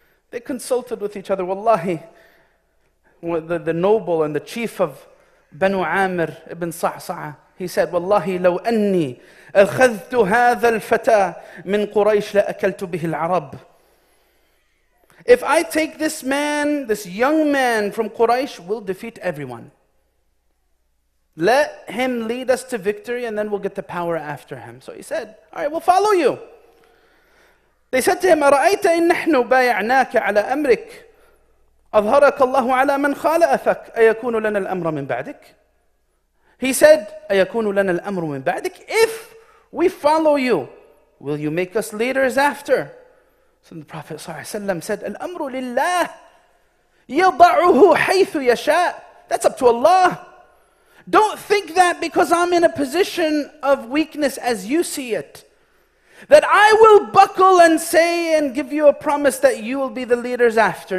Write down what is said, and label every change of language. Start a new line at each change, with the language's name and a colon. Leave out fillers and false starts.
English: They consulted with each other. Wallahi, the noble and the chief of Banu Amir ibn Sa'sa'a, he said, Wallahi,
Arabic: لو أني أخذت هذا الفتى من قريش لأكلت به العرب.
English: If I take this man, this young man from Quraysh, we'll defeat everyone. Let him lead us to victory and then we'll get the power after him. So he said, all right, we'll follow you. They said to him,
Arabic: أرأيت إن نحن بايعناك على أمرك أظهرك الله على من خالفك أيكون لنا الأمر من بعدك.
English: He said,
Arabic: أَيَكُونُ لَنَا الْأَمْرُ مِنْ بَعْدِكَ.
English: If we follow you, will you make us leaders after? So the Prophet ﷺ said,
Arabic: الْأَمْرُ لِلَّهِ يَضَعُهُ حَيْثُ يَشَاءُ.
English: That's up to Allah. Don't think that because I'm in a position of weakness as you see it, that I will buckle and say and give you a promise that you will be the leaders after.